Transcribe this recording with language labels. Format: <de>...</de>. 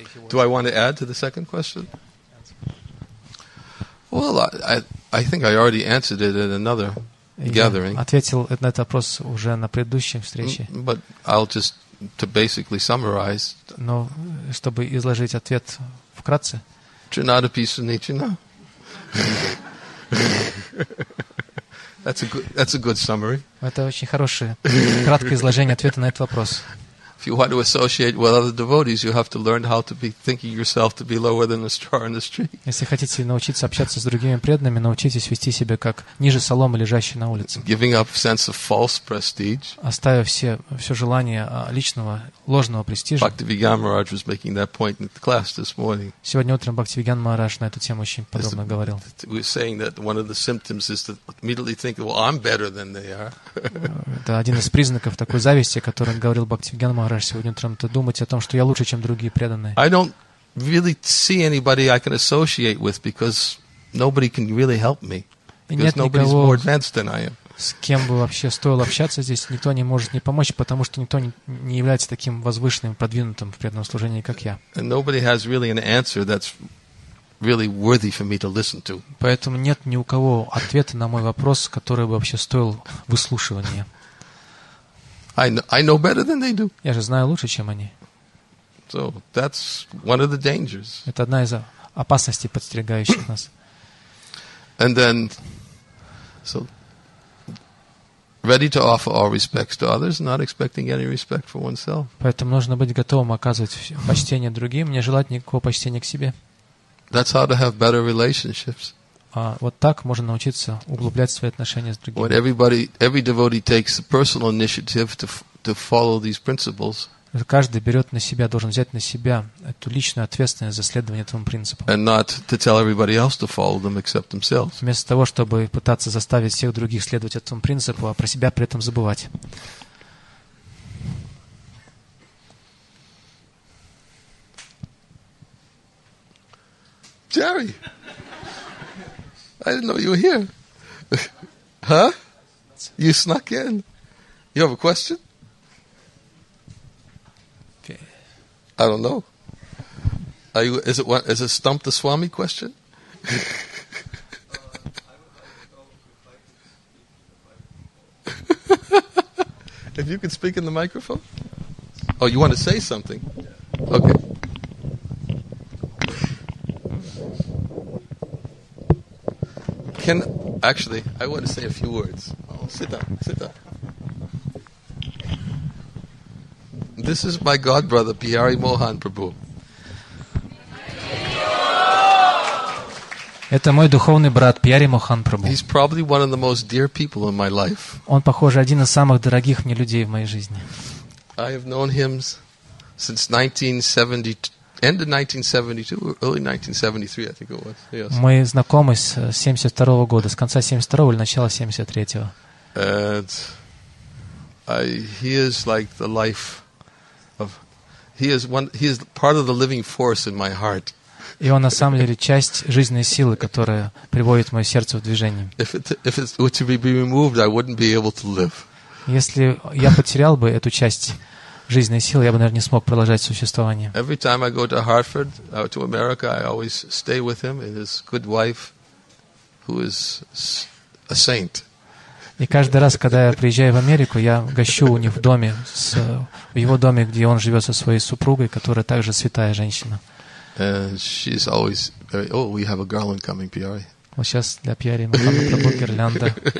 <en>Do I want to add to the second question? Well, I think I already answered it at another gathering.</en> <ru>Ответил на этот вопрос уже на предыдущей встрече.</ru> <en>But I'll just to basically summarize.</en> <ru>Но чтобы изложить ответ вкратце. Trinada Pisa Nichina.</ru> <en>That's a good summary.</en> <ru>Это очень хорошее краткое изложение ответа на этот вопрос.</ru> <en>If you want to associate with other devotees, you have to learn how to be thinking yourself to be lower than a straw in the street.</en> <ru>Если хотите научиться общаться с другими преданными, научитесь вести себя как ниже соломы, лежащей на улице.</ru> <en>Giving up sense of false prestige.</en> <ru>Оставив все желание личного ложного престижа.</ru> <en>Bhaktivigyan Maharaj was making that point in the class this morning.</en> <ru>Сегодня утром Бхактивиган Махарадж на эту тему очень подробно говорил.</ru> <en>He was saying that one of the symptoms is to immediately think, well, I'm better than they are.</en> <ru>Это один из признаков такой зависти, о котором говорил Бхактивиган Махарадж. Сегодня утром то думать о том, что я лучше, чем другие преданные.</ru> <en>I don't really see anybody I can associate with because nobody can really help me. Because nobody's more advanced than I am.</en> <ru>С кем бы вообще стоило общаться здесь, никто не может не помочь, потому что никто не является таким возвышенным, продвинутым в преданном служении, как я.</ru> <en>And nobody has really an answer that's really worthy for me to listen to.</en> <ru>Поэтому нет ни у кого ответа на мой вопрос, который бы вообще стоил выслушивания.</ru> <en>I know better than they do.</en> <ru>Я же знаю лучше, чем они.</ru> <en>So that's one of the dangers.</en> <ru>Это одна из опасностей, подстерегающих нас.</ru> <en>And then, so ready to offer all respects to others, not expecting any respect for oneself.</en> <ru>Поэтому нужно быть готовым оказывать почтение другим, не желать никакого почтения к себе.</ru> <en>That's how to have better relationships.</en> <ru>А вот так можно научиться углублять свои отношения с другими.</ru> <en>When every devotee takes a personal initiative to follow these principles.</en> <ru>Каждый берет на себя, должен взять на себя эту личную ответственность за следование этому принципу.</ru> <en>And not to tell everybody else to follow them except themselves.</en> <ru>Вместо того, чтобы пытаться заставить всех других следовать этому принципу, а про себя при этом забывать.</ru> <en>Jerry! I didn't know you were here. Huh? You snuck in. You have a question? Okay. I don't know. Is it a Stump the Swami question? If you could speak in the microphone. Oh, you want to say something? Okay. Actually, I want to say a few words. Oh, sit down. This is my god brother Pyari Mohan Prabhu.</en> <ru>Это мой духовный брат Пьяри Мохан Прабху.</ru> <en>He's probably one of the most dear people in my life.</en> <ru>Он, похоже, один из самых дорогих мне людей в моей жизни.</ru> <en>I have known him since 1970, end of 1972, early 1973, I think it was. Yes.</en> <ru>Мы знакомы с 72 года, с конца 72 или начала 73.</ru> <en>And he is part of the living force in my heart.</en> <ru>И он, на самом деле, часть жизненной силы, которая приводит мое сердце в движение. Если я потерял бы эту часть жизненной силы, я бы, наверное, не смог продолжать существование.</ru> <en>Every time I go to Hartford, to America, I always stay with him and his good wife, who is a saint.</en> <ru>И каждый раз, когда я приезжаю в Америку, я гощу у них в доме, в его доме, где он живет со своей супругой, которая также святая женщина.</ru> <en>And she's always very. Oh, we have a garland coming, Pyari.</en> <ru>Well, сейчас для Пьяри мы там пробуем гирлянда.</ru>